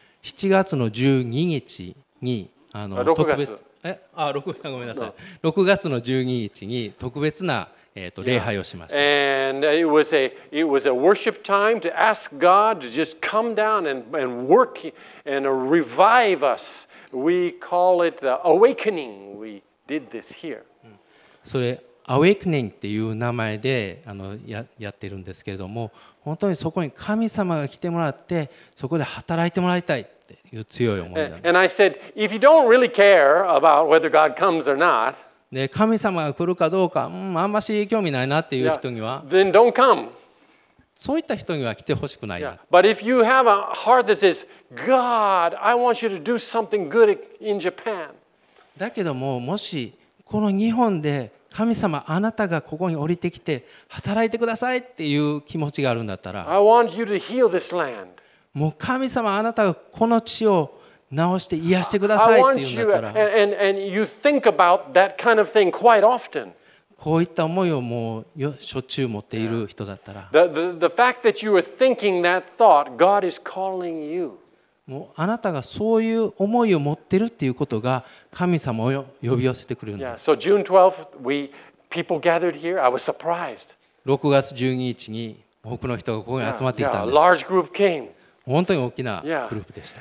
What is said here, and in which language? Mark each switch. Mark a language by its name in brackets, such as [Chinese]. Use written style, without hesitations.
[Japanese] 7月の12日に特別、6月の12日に特別な、礼拝をしました。 [English] And it was a worship time to ask God to just come down and work and revive us. We call it the awakening. We did this here. [Japanese] それアウェイクニングっていう名前でやってるんですけれども、本当にそこに神様が来てもらってそこで働いてもらいたいっていう強い思いだ。 [English] And I said, if you don't really care about whether God comes or not, [Japanese] 神様が来るかどうか、あんまし興味ないなっていう人には、 [English] yeah. then don't come. [Japanese] そういった人には来てほしくないな。 [English] yeah. But if you have a heart that says, God, I want you to do something good in Japan. [Japanese] だけども、もしこの日本で神様、あなたがここに降りてきて働いてくださいっていう気持ちがあるんだったら、 [English] I want you to heal this land. [Japanese] もう神様、あなたがこの地を治して癒してくださいっていうんだったら、 [English] I want you, and [Japanese] こういった思いをもうしょっちゅう持っている人だったら、 [English] the fact that you are thinking that thought, God is calling you. [Japanese] もうあなたがそういう思いを持ってるっていうことが神様を呼び寄せてくるんだ。 [English] Yeah, so June 12th, people gathered here. I was surprised. [Japanese] 6月12日に多くの人がここに集まってきたんです。 [English] Yeah, yeah, a large group came. [Japanese] 本当に大きなグループでした。